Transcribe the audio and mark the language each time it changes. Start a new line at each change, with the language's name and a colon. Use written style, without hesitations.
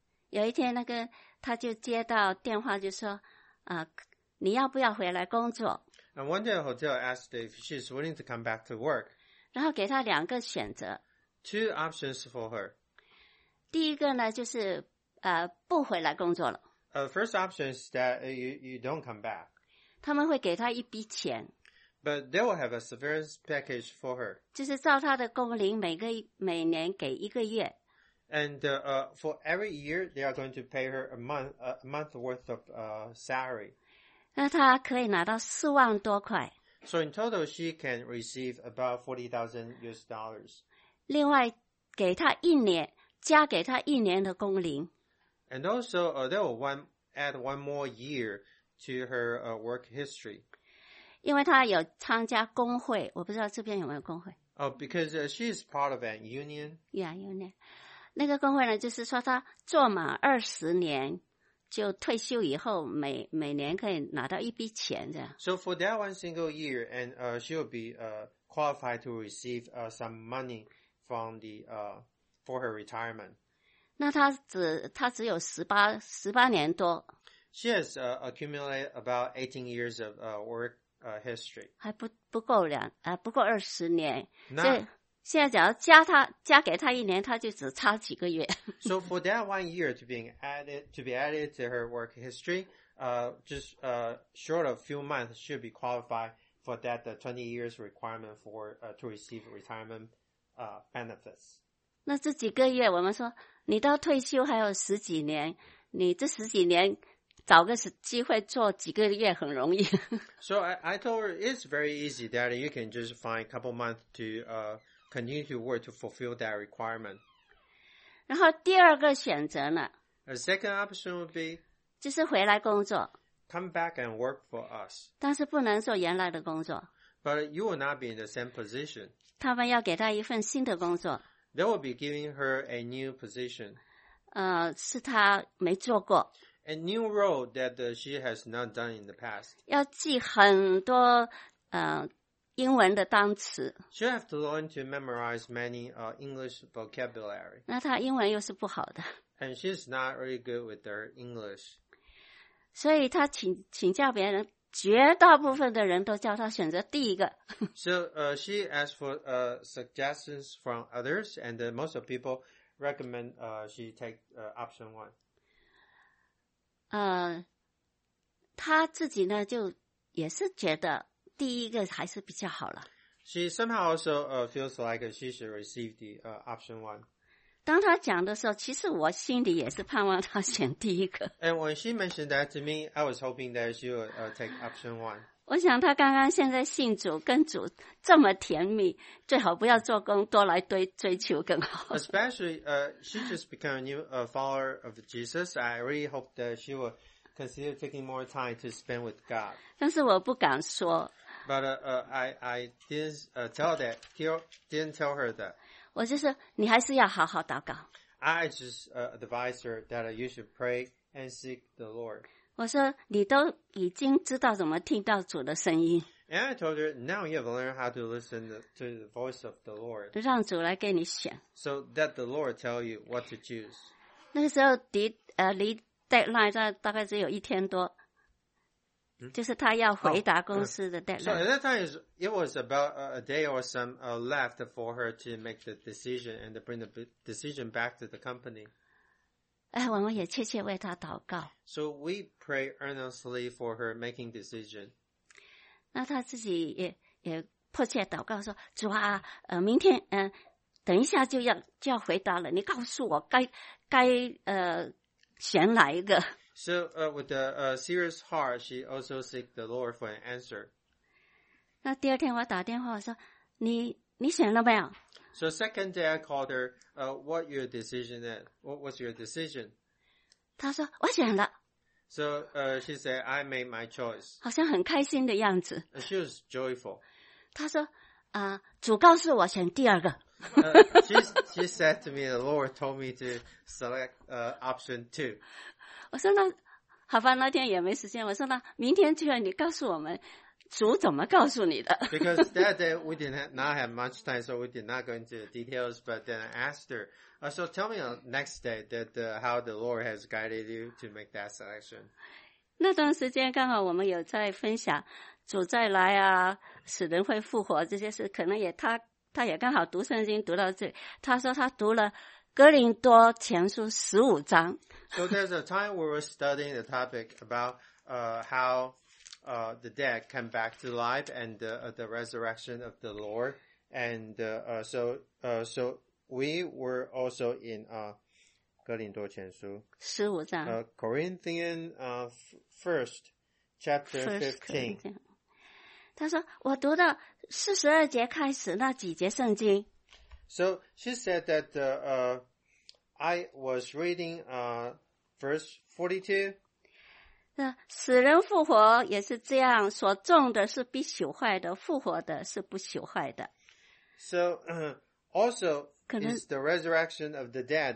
Chinese: 有一天那个他就接到电话就说，你要不要回来工作？
English: And one day the hotel asked if she's willing to come back to work.
Chinese: 然后给他两个选择。
English: Two options for her.
Chinese: 第一个呢就是不回来工作了。
English: First option is that you don't come back.
Chinese: 他们会给他一笔钱。
English: But they will have a severance package for her.
Chinese: 就是照他的工龄每年给一个月。
English: And for every year, they are going to pay her a month worth of salary.
Chinese: 那他可以拿到40,000多块。
English: So in total, she can receive about $40,000.
Chinese: 另外给她一年，加给她一年的工龄。
English: And also, they will add one more year to her work history.
Chinese: 因为她有参加工会，我不知道这边有没有工会。
English: Because she is part of an union. Yeah, union.
Chinese: 那个工会呢，就是说她做满20年。就退休以后每年可以拿到一笔钱这样。
English: So for that one single year, and she will be qualified to receive some money from the for her retirement.
Chinese: 那她只有18年多。
English: She has accumulated about 18 years of work history.
Chinese: 还不够20年。所以现在只要加给他一年，他就只差几个月。
English: So for that 1 year to be added to her work history, short of few months should be qualified for that 20 years requirement for to receive retirement benefits.
Chinese: 那这几个月，我们说你到退休还有十几年，你这十几年找个机会做几个月很容易。
English: So I told her it's very easy that you can just find a couple months to continue to work to fulfill that requirement.
Chinese: 然后第二个选择呢
English: ？A second option would be
Chinese: 就是回来工作。
English: Come back and work for us.
Chinese: 但是不能做原来的工作。
English: But you will not be in the same position.
Chinese: 他们要给他一份新的工作。
English: They will be giving her a new position.
Chinese: 是他没做过。
English: A new role that she has not done in the past.
Chinese: 要记很多英文的单词。
English: She'll have to learn to memorize many English vocabulary.
Chinese: 那她英文又是不好的。
English: And she's not really good with her English.
Chinese: 所以她请教别人，绝大部分的人都叫她选择第一个。
English: So she asked for suggestions from others, and most of people recommend she take option one.
Chinese: 她自己呢就也是觉得第一个还是比较好了。
English: She somehow also feels like she should receive the option one.
Chinese: 当她讲的时候，其实我心里也是盼望她选第一个。
English: And when she mentioned that to me, I was hoping that she would take option one.
Chinese: 我想她刚刚现在信主，跟主这么甜蜜，最好不要做工，多来追求更好。
English: Especially, she just became a new follower of Jesus. I really hope that she would consider taking more time to spend with God.
Chinese: 但是我不敢说。
English: But I didn't tell her that.
Chinese: 我就说你还是要好好祷告。
English: I just advised her that you should pray and seek the Lord.
Chinese: 我说你都已经知道怎么听到主的声音。
English: And I told her, now you have learned how to listen to the voice of the Lord.
Chinese: 让主来给你选。
English: So that the Lord tell you what to choose.
Chinese: 那个时候离离 deadline 在大概只有一天多。就是他要回答公司的 deadline.
English: So at that time, it was about a day or some left for her to make the decision and to bring the decision back to the company.
Chinese: 哎，我们也切切为他祷告。
English: So we pray earnestly for her making decision.
Chinese: 那他自己也迫切祷告说，主啊，明天，等一下就要回答了，你告诉我该选哪一个。
English: So, with a serious heart, she also seek the Lord for an answer.
Chinese: 那第二天我打电话说，你选了没有？
English: So, second day I called her, what your decision is? What was your decision?
Chinese: 她说，我选了。
English: So, she said, I made my choice.
Chinese: 好像很开心的样子。
English: She was joyful.
Chinese: 她说，主告诉我选第二个。
English: she said to me, the Lord told me to select, option two.
Chinese: 我说那好吧，那天也没时间。我说那明天就让你告诉我们主怎么告诉你的。
English: Because that day we did not have much time, so we did not go into the details. But then I asked her, so tell me next day that how the Lord has guided you to make that selection.
Chinese: 那段时间刚好我们有在分享主再来啊，死人会复活这些事，可能也他也刚好读圣经读到这里，他说他读了哥林多前书十五章。
English: So there's a time we were studying the topic about how the dead come back to life and the resurrection of the Lord. And so we were also in 哥林多前书
Chinese: 十五章
English: Corinthian first chapter 15.
Chinese: 他说我读到四十二节开始那几节圣经。
English: So she said that I was reading verse 42.
Chinese: 死人复活也是这样，所种的是必朽坏的，复活的是不朽坏的。
English: So also is the resurrection of the dead.